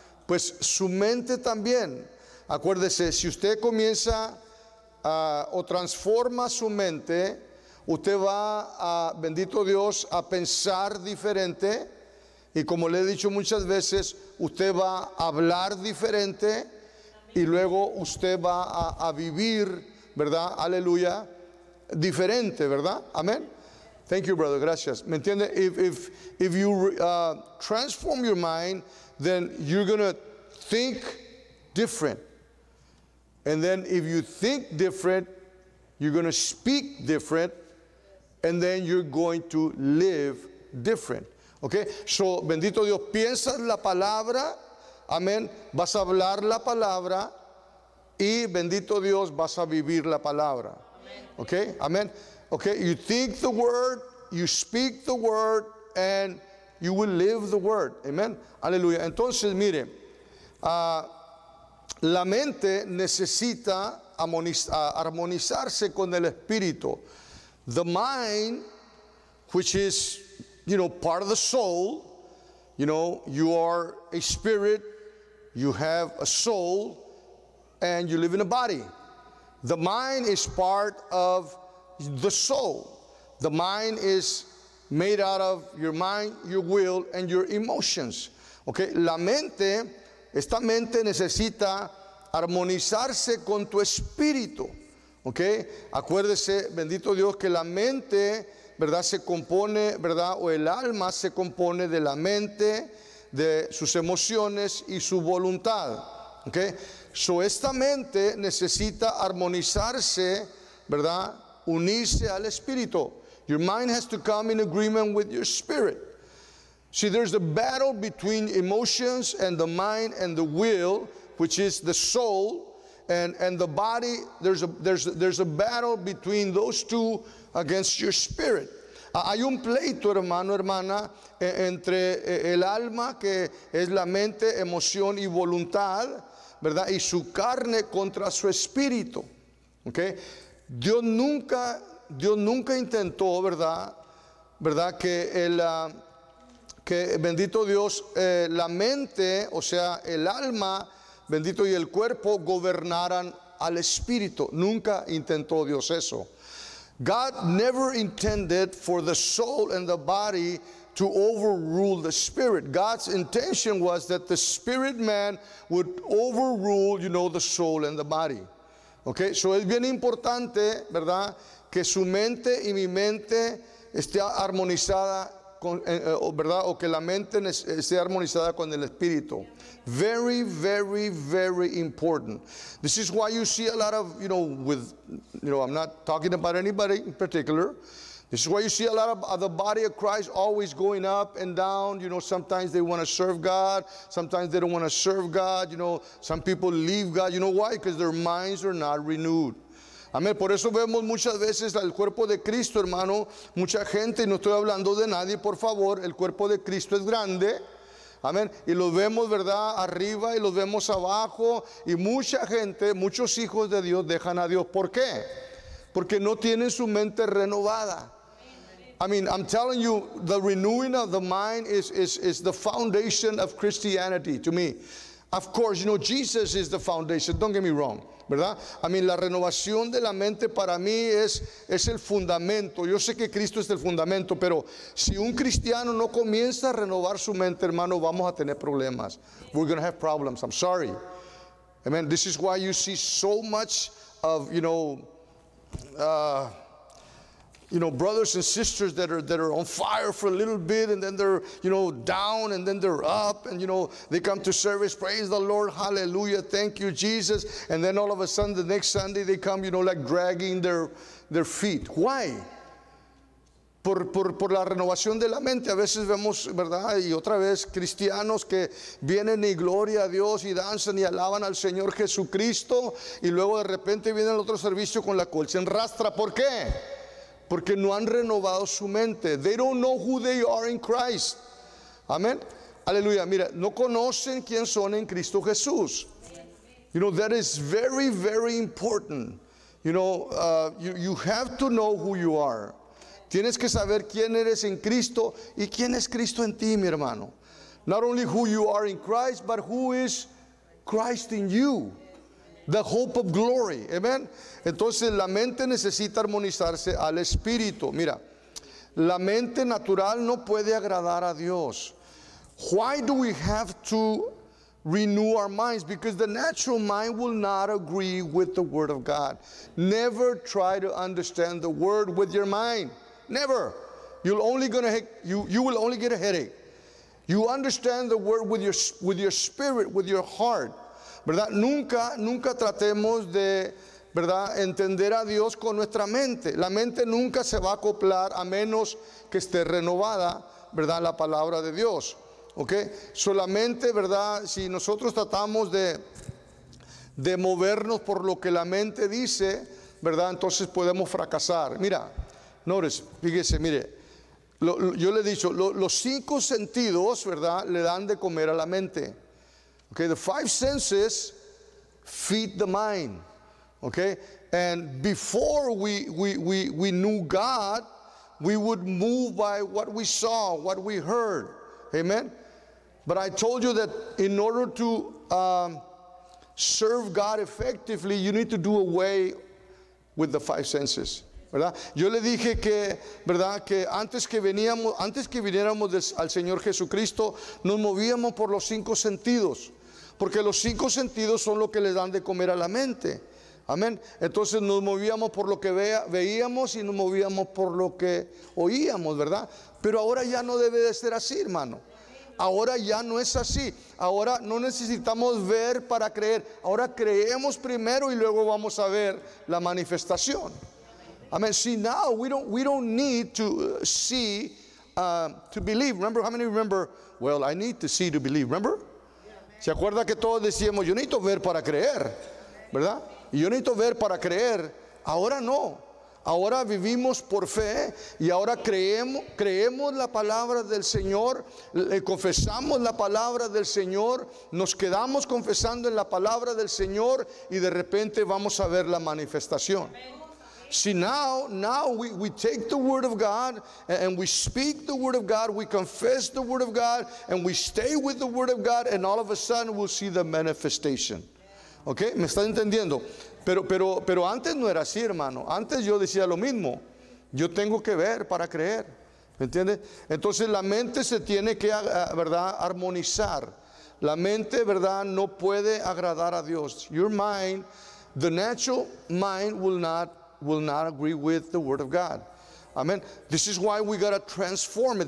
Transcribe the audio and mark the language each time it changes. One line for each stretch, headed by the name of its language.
Spanish: Pues su mente también. Acuérdese, si usted comienza o transforma su mente, usted va a, bendito Dios, a pensar diferente, y como le he dicho muchas veces, usted va a hablar diferente, y luego usted va a vivir, ¿verdad?, aleluya, diferente, ¿verdad? Amén.
English: Thank you, brother.
Spanish: Gracias. ¿Me entiende?
English: If you transform your mind, then you're going to think different. And then if you think different, you're going to speak different. And then you're going to live different. Okay?
Spanish: So, bendito Dios, piensas la palabra. Amén. Vas a hablar la palabra y, bendito Dios, vas a vivir la palabra. Amén. Ok, amén.
English: Ok, you think the word, you speak the word, and you will live the word.
Spanish: Amén. Aleluya. Entonces, mire, la mente necesita armonizarse con el espíritu.
English: The mind, which is, you know, part of the soul, you know, you are a spirit. You have a soul and you live in a body. The mind is part of the soul. The mind is made out of your mind, your will, and your emotions.
Spanish: Okay, la mente, esta mente necesita armonizarse con tu espíritu. Okay, acuérdese, bendito Dios, que la mente, ¿verdad?, se compone, ¿verdad?, o el alma se compone de la mente, de sus emociones y su voluntad, ¿ok? So, esta mente necesita armonizarse, ¿verdad?, unirse al espíritu.
English: Your mind has to come in agreement with your spirit. See, there's a battle between emotions and the mind and the will, which is the soul, and the body. There's a battle between those two against your spirit.
Spanish: Hay un pleito, hermano, hermana, entre el alma, que es la mente, emoción y voluntad, ¿verdad? Y su carne contra su espíritu. ¿Okay? Dios nunca intentó, ¿verdad? Que el que bendito Dios, la mente, o sea, el alma, bendito, y el cuerpo gobernaran al espíritu. Nunca intentó Dios eso.
English: God never intended for the soul and the body to overrule the spirit. God's intention was that the spirit man would overrule, you know, the soul and the body.
Spanish: Okay, so es bien importante, ¿verdad?, que su mente y mi mente esté armonizada con, ¿verdad?, o que la mente esté armonizada con el espíritu.
English: Very, very, very important. This is why you see a lot of, you know, with, you know, I'm not talking about anybody in particular. This is why you see a lot of the body of Christ always going up and down. You know, sometimes they want to serve God, sometimes they don't want to serve God. You know, some people leave God. You know why? Because their minds are not renewed.
Spanish: Amén. Por eso vemos muchas veces al cuerpo de Cristo, hermano, mucha gente, y no estoy hablando de nadie, por favor, el cuerpo de Cristo es grande. Amén. Y los vemos, ¿verdad?, arriba y los vemos abajo. Y mucha gente, muchos hijos de Dios dejan a Dios. ¿Por qué? Porque no tienen su mente renovada.
English: I mean, I'm telling you, the renewing of the mind is the foundation of Christianity to me. Of course, you know, Jesus is the foundation. Don't get me wrong. ¿Verdad?
Spanish: I mean, la renovación de la mente para mí es el fundamento. Yo sé que Cristo es el fundamento, pero si un cristiano no comienza a renovar su mente, hermano, vamos a tener problemas.
English: We're going to have problems. I'm sorry. Amen. This is why you see so much of, you know, brothers and sisters that are on fire for a little bit, and then they're, you know, down, and then they're up, and, you know, they come to service, praise the Lord, hallelujah, thank you, Jesus, and then all of a sudden, the next Sunday, they come, you know, like dragging their feet. Why?
Spanish: Por la renovación de la mente. A veces vemos, ¿verdad?, y otra vez, cristianos que vienen y gloria a Dios y danzan y alaban al Señor Jesucristo, y luego de repente viene el otro servicio con la cual se enrastra. ¿Por qué? Porque no han renovado su mente.
English: They don't know who they are in Christ.
Spanish: Amen. Aleluya. Mira, no conocen quién son en Cristo Jesús.
English: You know, that is very, very important. You know, you have to know who you are.
Spanish: Tienes que saber quién eres en Cristo y quién es Cristo en ti, mi hermano.
English: Not only who you are in Christ, but who is Christ in you. The hope of glory. Amen.
Spanish: Entonces, la mente necesita armonizarse al espíritu. Mira, la mente natural no puede agradar a Dios.
English: Why do we have to renew our minds? Because the natural mind will not agree with the word of God. Never try to understand the word with your mind. Never. You will only get a headache. You understand the word with your spirit, with your heart.
Spanish: ¿Verdad? Nunca tratemos de, ¿verdad?, entender a Dios con nuestra mente. La mente nunca se va a acoplar a menos que esté renovada, ¿verdad?, la palabra de Dios. ¿Okay? Solamente, ¿verdad?, si nosotros tratamos de movernos por lo que la mente dice, ¿verdad?, entonces podemos fracasar. Mira, notice, fíjese, mire, yo le he dicho, los cinco sentidos, ¿verdad?, le dan de comer a la mente.
English: Okay, the five senses feed the mind. Okay, and before we knew God, we would move by what we saw, what we heard. Amen. But I told you that in order to serve God effectively, you need to do away with the five senses.
Spanish: ¿Verdad? Yo le dije que, ¿verdad?, que antes que viniéramos al Señor Jesucristo, nos movíamos por los cinco sentidos. Porque los cinco sentidos son lo que les dan de comer a la mente. Amén. Entonces nos movíamos por lo que veíamos y nos movíamos por lo que oíamos, ¿verdad? Pero ahora ya no debe de ser así, hermano. Ahora ya no es así. Ahora no necesitamos ver para creer. Ahora creemos primero y luego vamos a ver la manifestación.
English: Amén. See, now we don't need to see to believe. Remember, how many remember? Well, I need to see to believe. Remember?
Spanish: Se acuerda que todos decíamos, yo necesito ver para creer, ¿verdad? Yo necesito ver para creer. Ahora no. Ahora vivimos por fe y ahora creemos la palabra del Señor, le confesamos la palabra del Señor, nos quedamos confesando en la palabra del Señor y de repente vamos a ver la manifestación.
English: See, now we take the word of God and we speak the word of God, we confess the word of God and we stay with the word of God and all of a sudden we'll see the manifestation.
Spanish: Okay, ¿me están entendiendo? Pero antes no era así, hermano. Antes yo decía lo mismo. Yo tengo que ver para creer. ¿Me entiendes? Entonces la mente se tiene que, ¿verdad?, armonizar. La mente, ¿verdad?, no puede agradar a Dios.
English: Your mind, the natural mind will not agree with the word of God. Amen. This is why we got to transform it.